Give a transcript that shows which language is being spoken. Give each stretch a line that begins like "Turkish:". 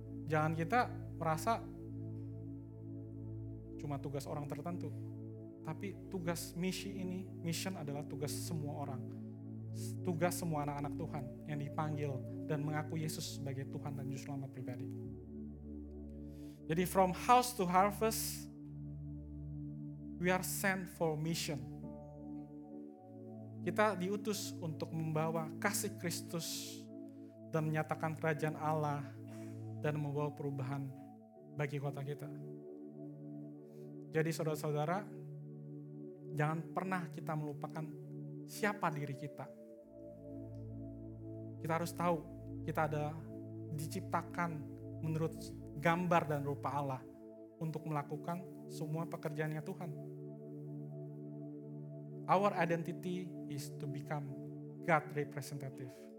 Indonesian: Jangan kita merasa cuma tugas orang tertentu. Tapi tugas misi ini, mission adalah tugas semua orang. Tugas semua anak-anak Tuhan yang dipanggil dan mengaku Yesus sebagai Tuhan dan Juru Selamat pribadi.
English: Jadi from house to harvest, we are sent for mission.
Indonesian: Kita diutus untuk membawa kasih Kristus dan menyatakan kerajaan Allah dan membawa perubahan bagi kota kita. Jadi saudara-saudara, jangan pernah kita melupakan siapa diri kita. Kita harus tahu kita ada diciptakan menurut gambar dan rupa Allah untuk melakukan semua pekerjaannya Tuhan.
English: Our identity is to become God representative.